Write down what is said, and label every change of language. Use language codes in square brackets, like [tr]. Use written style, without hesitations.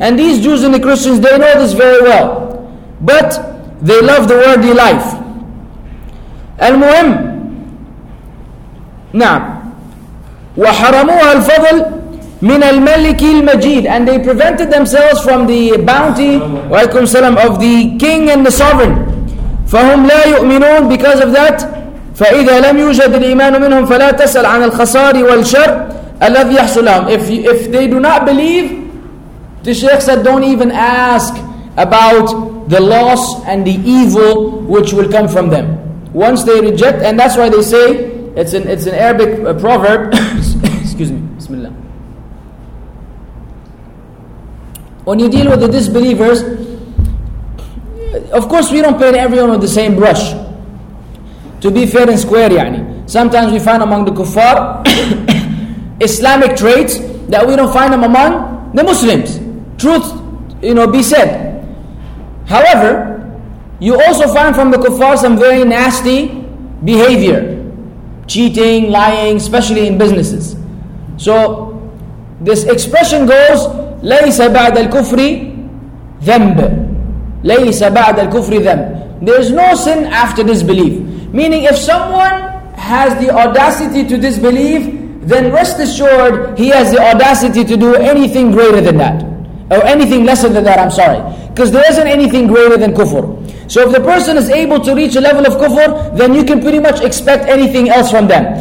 [en] And these Jews and the Christians, they know this very well. But they love the worldly life. [ar] Al-Muhim. Na'am. وَحَرَمُوهَا الْفَضْلِ مِنَ الْمَلِكِ الْمَجِيدِ. [en] And they prevented themselves from the bounty, [ar] walaykum salam, [en] of the king and the sovereign. [ar] فَهُمْ لَا يُؤْمِنُونَ. [en] Because of that, [ar] فَإِذَا لَمْ يُوجَدِ الْإِيمَانُ مِنْهُمْ فَلَا تَسَلْ عَنَ الْخَسَارِ وَالْشَرِ الَّذِي يَحْسُلَهُمْ. [en] If they do not believe, the Shaykh said, don't even ask about the loss and the evil which will come from them. Once they reject, and that's why they say, it's an Arabic proverb. Excuse me. Bismillah. When you deal with the disbelievers, of course we don't paint everyone with the same brush. To be fair and square, yani. Sometimes we find among the kuffar Islamic traits that we don't find them among the Muslims. Truth, you know, be said. However, you also find from the kuffar some very nasty behavior. Cheating, lying, especially in businesses. So, this expression goes, [ar] لَيْسَ بَعْدَ الْكُفْرِ ذَنْبَ لَيْسَ بَعْدَ الْكُفْرِ ذَنْبَ. [en] There is no sin after disbelief. Meaning, if someone has the audacity to disbelieve, then rest assured, he has the audacity to do anything greater than that. Or anything lesser than that, I'm sorry. Because there isn't anything greater than kufr. So if the person is able to reach a level of kufr, then you can pretty much expect anything else from them.